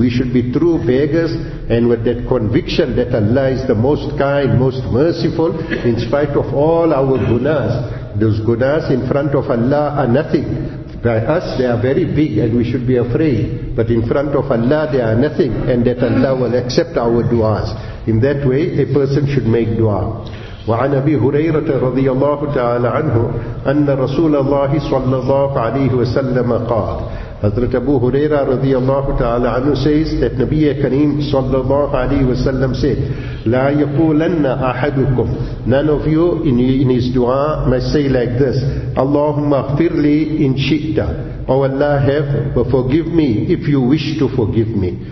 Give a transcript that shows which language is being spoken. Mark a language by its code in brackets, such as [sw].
[en] We should be true beggars, and with that conviction that Allah is the most kind, most merciful, in spite of all our gunas. Those gunas in front of Allah are nothing. By us they are very big and we should be afraid, but in front of Allah they are nothing, and that Allah will accept our duas. In that way a person should make dua. [ar] وعن أبي هريرة رضي الله تعالى عنه أن رسول الله صلى الله عليه وسلم قال. [en] Hazrat Abu Huraira [ar] رضي الله تعالى عنه [en] says that [ar] نبي كريم صلى الله عليه وسلم [en] said, [ar] لا يقولن أحدكم, [en] none of you in his dua must say like this, [ar] اللهم اغفر لي إن شئت, [en] oh Allah, forgive me if you wish to forgive me.